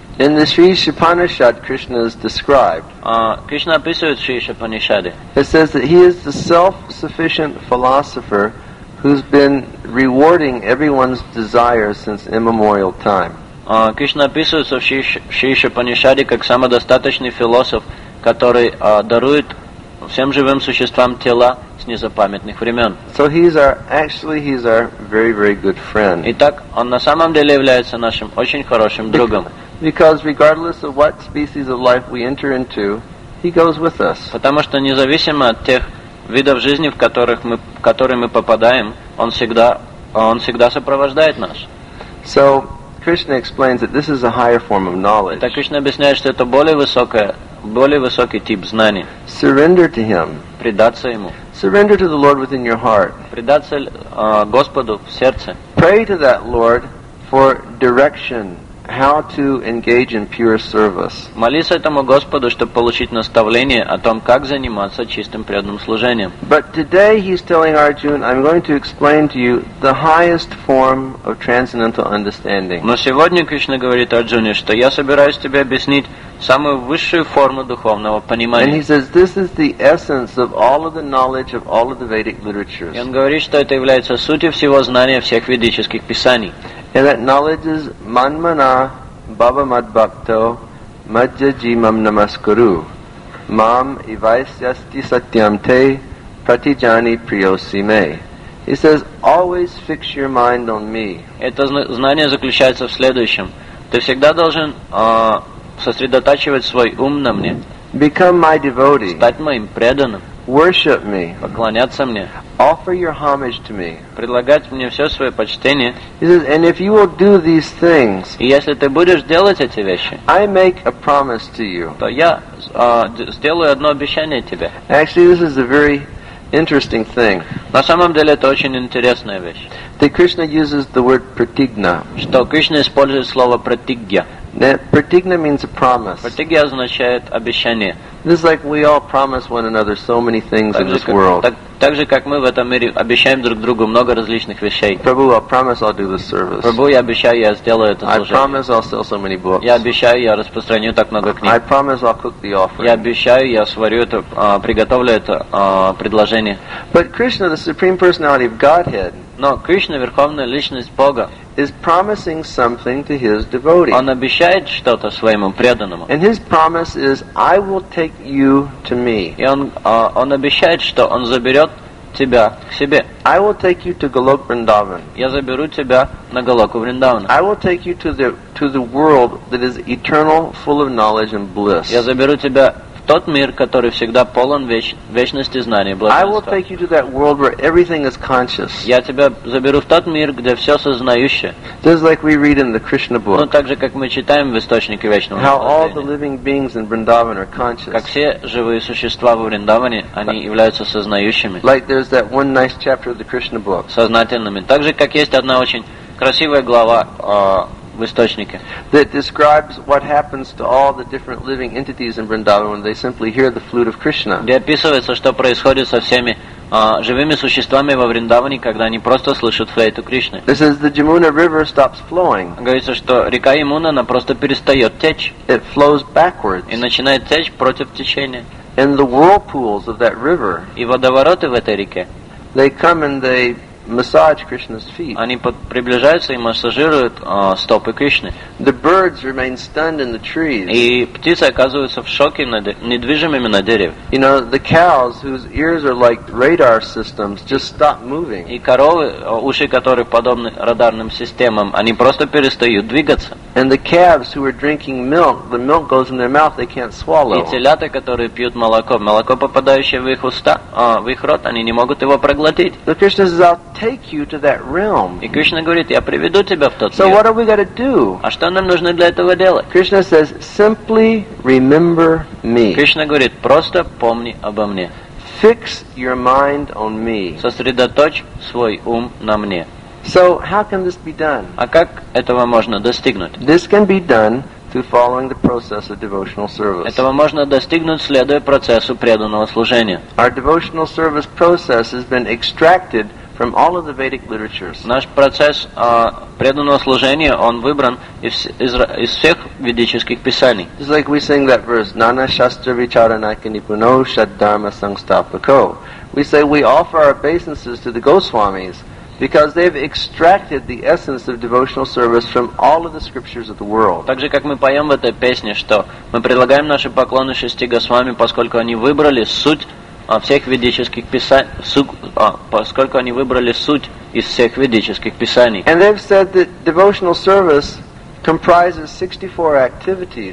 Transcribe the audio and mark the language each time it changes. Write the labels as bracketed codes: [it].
[en] In the Sri Shapanishad, Krishna is described. [ru] Кришна описывает Шри Шапанишаде. [en] It says that He is the self-sufficient philosopher. Who's been rewarding everyone's desires since immemorial time? [ru] Кришна описывается в Шишапанишаде как самодостаточный философ, который дарует всем живым существам тела с незапамятных времен. [en] So he's our very very good friend. [ru] Итак, он на самом деле является нашим очень хорошим другом. [en] Because regardless of what species of life we enter into, he goes with us. [ru] Потому что независимо от тех видов жизни, в которых мы, в которые мы попадаем, он всегда сопровождает нас. [en] So Krishna explains that this is a higher form of knowledge. [ru] Итак, Кришна объясняет, что это более высокий тип знания. [en] Surrender to Him. [ru] Предаться Ему. [en] Surrender to the Lord within your heart. [ru] Предаться Господу в сердце. [en] Pray to that Lord for direction. How to engage in pure service? [ru] Молиться этому Господу, чтобы получить наставление о том, как заниматься чистым преданным служением. [en] But today he's telling Arjuna, I'm going to explain to you the highest form of transcendental understanding. [ru] Но сегодня Кришна говорит Арджуне, что я собираюсь тебе объяснить самую высшую форму духовного понимания. [en] And he says this is the essence of all of the knowledge of all of the Vedic literatures. [ru] И он говорит, что это является сутью всего знания всех ведических писаний. [en] And that knowledge is [sa] manmana bhava madbhakto madhya jimam namaskuru. mam evaisyasti satyam te pratijani priyosi me. [en] He says, always fix your mind on me. [ru] Это знание заключается в следующем. Ты всегда должен сосредотачивать свой ум на мне. [en] Become my devotee. [ru] Стать моим преданным. [en] Worship me. [ru] Поклоняться мне. [en] Offer your homage to me. [ru] Предлагать мне все свое почтение. [en] He says, and if you will do these things, [ru] и если ты будешь делать эти вещи, [en] I make a promise to you. [ru] То я сделаю одно обещание тебе. [en] Actually, this is a very interesting thing. [ru] На самом деле это очень интересная вещь. [en] That Krishna uses the word pratigna. [ru] Что Кришна использует слово pratigya. [en] That pratigna means a promise. [ru] Pratigya означает обещание. [en] This is like we all promise one another so many things in this world. [ru] Так же, как мы в этом мире обещаем друг другу много различных вещей. [en] Prabhu, I promise I'll do this service. [ru] Prabhu, я обещаю, я сделаю это служение. [en] I promise I'll sell so many books. [ru] Я обещаю, я распространю так много книг. [en] I promise I'll cook the offering. [ru] Я обещаю, я сварю это, приготовлю это предложение. [en] But Krishna, the Supreme Personality of Godhead, [ru] но Кришна, Верховная Личность Бога, [en] is promising something to his devotee. [ru] Он обещает что-то своему преданному. [en] And his promise is, I will take you to me. [ru] И он обещает, что он заберет тебя к себе. [en] I will take you to Goloka Vrindavan. [ru] Я заберу тебя на Голоку Вриндаван. [en] I will take you to the world that is eternal, full of knowledge and bliss. [ru] Я заберу тебя тот мир, который всегда полон вечности знаний и блаженства. [en] I will take you to that world where everything is conscious. [ru] Я тебя заберу в тот мир, где все сознающее. [en] Just like we read in the Krishna book. [ru] Ну, так же, как мы читаем в источнике вечного наслаждения. [en] How all the living beings in Vrindavan are conscious. [ru] Как все живые существа во Вриндаване, они являются сознающими. [en] Like there's that one nice chapter of the Krishna book. [ru] Сознательными. Так же, как есть одна очень красивая глава в источнике. [en] That describes what happens to all the different living entities in Vrindavan when they simply hear the flute of Krishna. [ru] Где описывается, что происходит со всеми живыми существами во Вриндаване, когда они просто слышат флейту Кришны. [en] This is the Jamuna River stops flowing. [ru] Говорится, что река Ямуна, она просто перестает течь. [en] It flows backwards. [ru] И начинает течь против течения. [en] And the whirlpools of that river. [ru] И водовороты в этой реке. [en] They come and they massage Krishna's feet. [ru] Они приближаются и массажируют стопы Кришны. [en] The birds remain stunned in the trees. [ru] И птицы оказываются в шоке недвижимыми на дереве. [en] You know, the cows whose ears are like radar systems just stop moving. [ru] И коровы, уши которых подобны радарным системам, они просто перестают двигаться. [en] And the calves who are drinking milk, the milk goes in their mouth, they can't swallow. [ru] И телята, которые пьют молоко, молоко попадающее в их уста, в их рот, они не могут его проглотить. [en] The Krishna is out. Take you to that realm. [ru] И Кришна говорит, я приведу тебя в тот мир. [en] So what are we going to do? [ru] А что нам нужно для этого делать? [en] Krishna says, simply remember me. [ru] Кришна говорит, просто помни обо мне. [en] Fix your mind on me. [ru] Сосредоточь свой ум на мне. [en] So how can this be done? [ru] А как этого можно достигнуть? [en] This can be done through following the process of devotional service. [ru] Этого можно достигнуть, следуя процессу преданного служения. [en] Our devotional service process has been extracted from all of the Vedic literatures. [ru] Наш процесс преданного служения, он выбран из всех ведических писаний. [en] It's like we sing that verse, [sa] Nana Shastra Vicharanaka Nipuno Shaddharma Sangstapako. [en] We say we offer our obeisances to the Goswamis because they've extracted the essence of devotional service from all of the scriptures of the world. [ru] Так же, как мы поем в этой песне, что мы предлагаем наши поклоны шести Госвами, поскольку они выбрали суть всех ведических поскольку они выбрали суть из всех ведических писаний. [en] And they've said that devotional service comprises 64 activities.